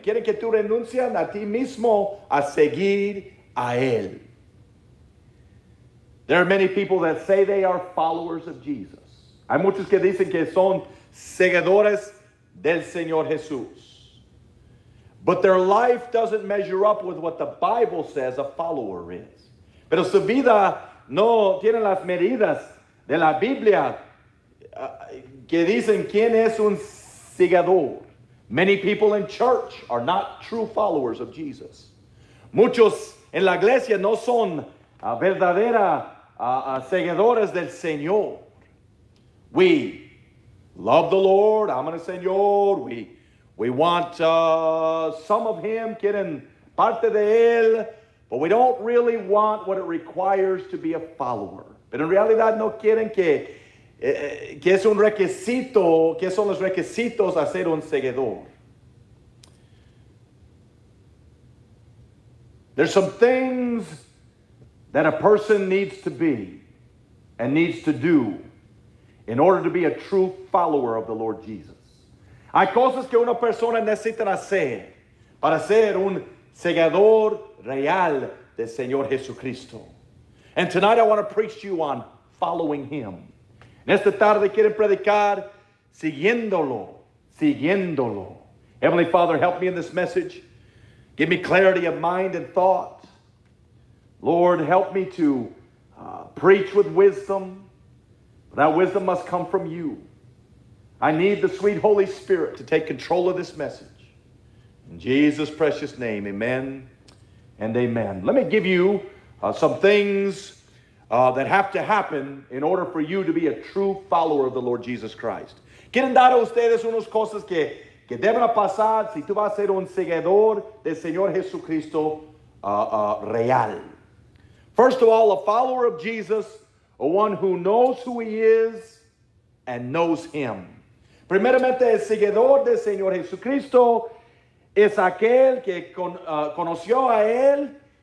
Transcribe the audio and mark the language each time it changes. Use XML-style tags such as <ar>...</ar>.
<es>Quiere que tú renuncies a ti mismo a seguir a él.</es> <en>There are many people that say they are followers of Jesus.</en> <es>Hay muchos que dicen que son seguidores del Señor Jesús.</es> <en>But their life doesn't measure up with what the Bible says a follower is.</en> <es>Pero su vida no tiene las medidas de la Biblia que dicen quién es un seguidor.</es> <en>Many people in church are not true followers of Jesus.</en> <es>Muchos en la iglesia no son verdaderos seguidores del Señor.</es> <en>We love the Lord,</en> <es>amen al Señor.</es> <en>We want some of him,</en> <es>quieren parte de él,</es> <en>but we don't really want what it requires to be a follower.</en> <es>Pero en realidad no quieren que es un requisito, que son los requisitos a ser un seguidor.</es> <en>There's some things that a person needs to be and needs to do in order to be a true follower of the Lord Jesus.</en> <es>Hay cosas que una persona necesita hacer para ser un seguidor real del Señor Jesucristo.</es> <en>And tonight I want to preach to you on following him.</en> <es>En esta tarde quieren predicar siguiéndolo, siguiéndolo.</es> <en>Heavenly Father, help me in this message. Give me clarity of mind and thought. Lord, help me to preach with wisdom. That wisdom must come from you. I need the sweet Holy Spirit to take control of this message. In Jesus' precious name, amen and amen. Let me give you some things that have to happen in order for you to be a true follower of the Lord Jesus Christ.</en> <es>Quieren dar a ustedes unas cosas que deben pasar si tú vas a ser un seguidor del Señor Jesucristo real.</es> <en>First of all, a follower of Jesus, a one who knows who he is and knows him.</en> <es>Primeramente, el seguidor del Señor Jesucristo es aquel que conoció a él.</es>